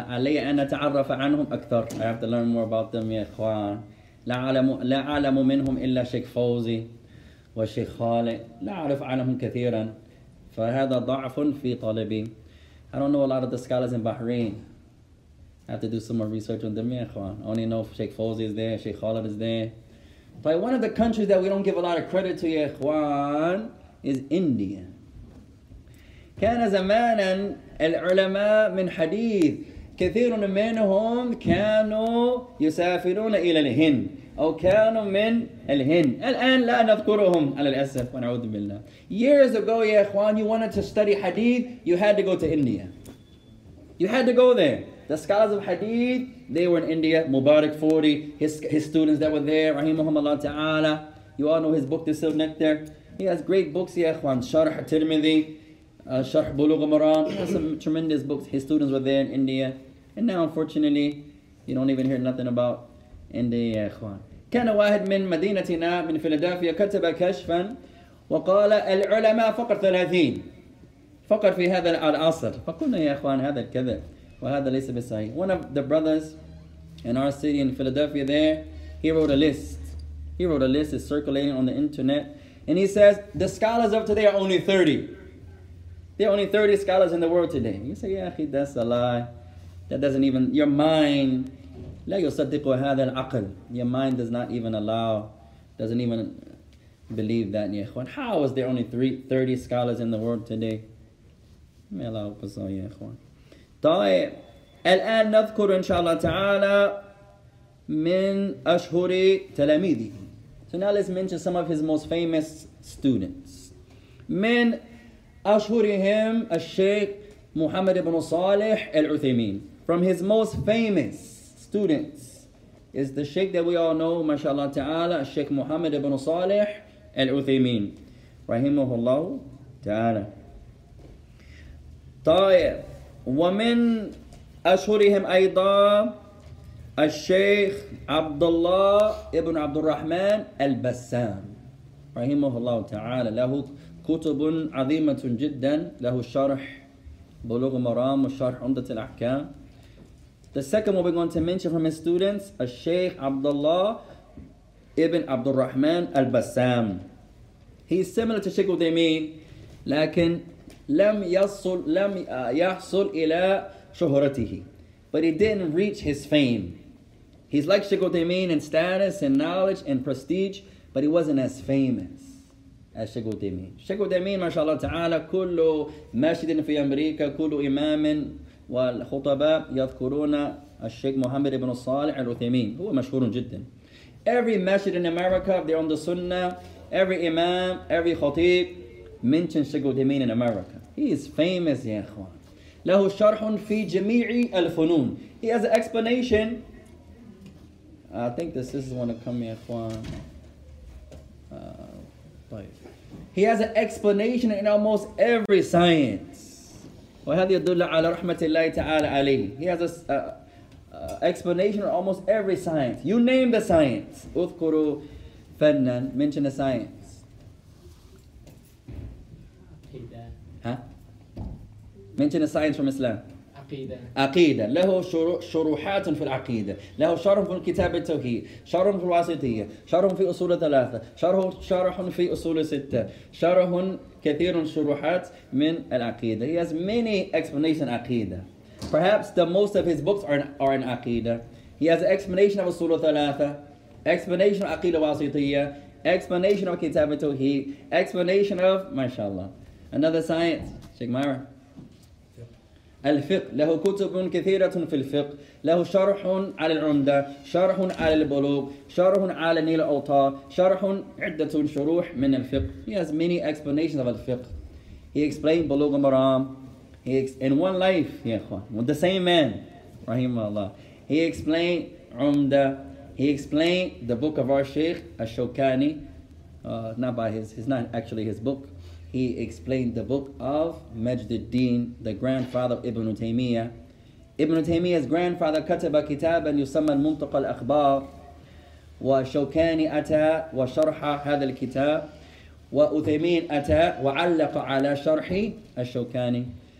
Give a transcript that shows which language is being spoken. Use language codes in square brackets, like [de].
[en] I have to learn more about them, Ikhwan. [ar] لا أعلم منهم إلا شيخ فوزي وشيخ خالد. لا أعرف عنهم كثيرا. فهذا ضعف في طالبي. [en] I don't know a lot of the scholars in Bahrain. I have to do some more research on them, Ikhwan. I only know if Sheikh Fawzi is there, Sheikh Khalid is there. But one of the countries that we don't give a lot of credit to, ya ikhwan, is India. [ar] كان زمانا العلماء من حديث كثير منهم كانوا يسافرون إلى الهند أو كانوا من الهند الآن لا نذكرهم على الأسف ونعوذ بالله. [en] Years ago, ya ikhwan, you wanted to study hadith, you had to go to India. You had to go there. The scholars of hadith, they were in India, Mubarak 40, his students that were there, rahimahumallah ta'ala. You all know his book, The Silk Nectar. He has great books, ya ikhwan, Sharh Tirmidhi, Sharh Bulugh Maram. He has some tremendous books. His students were there in India. And now, unfortunately, you don't even hear nothing about India, ya ikhwan. [ar] كان واحد من مدينتنا من فيلادلفيا كتب كشفا وقال العلماء فقط 30 فقط في هذا العصر. فقلنا يا اخوان هذا الكذب. [en] One of the brothers in our city in Philadelphia there, he wrote a list. He wrote a list, it's circulating on the internet. And he says, the scholars of today are only 30. There are only 30 scholars in the world today. You say, yeah, that's a lie. That doesn't even, your mind, [ar] لا يصدق هذا العقل. [en] Your mind does not even allow, doesn't even believe that. How is there only 30 scholars in the world today? May Allah help us all, ya ikhwan. [ar] طيب الآن نذكر إن شاء الله تعالى من أشهر تلاميذه. [en] So now let's mention some of his most famous students. [ar] من أشهرهم الشيخ محمد بن صالح العثيمين. [en] From his most famous students is the Sheikh that we all know, ما شاء الله تعالى الشيخ محمد بن صالح العثيمين. [ar] رحمه الله تعالى. طيب ومن أشهرهم أيضا الشيخ عبد الله ابن عبد الرحمن البسام رحمه الله تعالى له كتب عظيمة جدا له شرح بلوغ مرام وشرح عمدة الأحكام [en] The second one we're going to mention from his students [ar] الشيخ عبد الله ابن عبد الرحمن البسام [en] He's similar to Sheikh Uthaymeen [ar] لكن لم يحصل إلى شهرته [en] but he didn't reach his fame he's like Sheikh Uthaymeen in status and knowledge and prestige but he wasn't as famous الشيخ تيمين. [ar] الشيخ تيمين ما شاء الله تعالى كل مسجد في أمريكا كل إمام والخطباء يذكرون الشيخ محمد بن صالح العثيمين. هو مشهور جدا. [en] Every masjid in America, they're on the Sunnah. Every imam, every khatib mentions Sheikh Uthaymeen in America. He is famous, ya ikhwan. [ar] له شرح في جميع الفنون. [en] He has an explanation. I think this is going to come, ya ikhwan. He has an explanation in almost every science. [ar] وهذه يدل على رحمة الله تعالى عليه. [en] He has an explanation of almost every science. You name the science. [ar] اذكروا فنن. [en] Mention the science. [ar] عقيدة. [en] Huh? Mention the science from Islam. [ar] عقيدة. له شروحات في العقيدة. له شرح في الكتاب التوحيد. شرح في الواسطية. شرح في أصول ثلاثة. شرح في أصول ستة. شرح كثير شروحات من العقيدة. [en] He has many explanations عقيدة. Perhaps the most of his books are in Aqidah. He has an explanation of Surah Thalatha, explanation of Aqidah Wasitiyah, explanation of Kitab al-Tawheed, explanation of, mashallah, another science, Sheikh Myra. [ar] الفقه له كتب كثيرة في الفقه له شرح على العمدة شرح على البلوغ شرح على نيل الأوطار شرح عدة شروح من الفقه. [en] He has many explanations of الفقه. He explained بلوغ المرام. In one life, yeah, with the same man, rahimahullah, he explained Umda, he explained the book of our Sheikh, Ash-Shawkani, it's not actually his book, he explained the book of Majd al-Din, the grandfather of Ibn Taymiyyah. [ar] Ibn Taymiyyah's grandfather كتب كتابا يسمى المنطق الأخبار وشوكاني أتى وشرح هذا الكتاب وأثيمين أتى وعلق على شرح الشوكاني.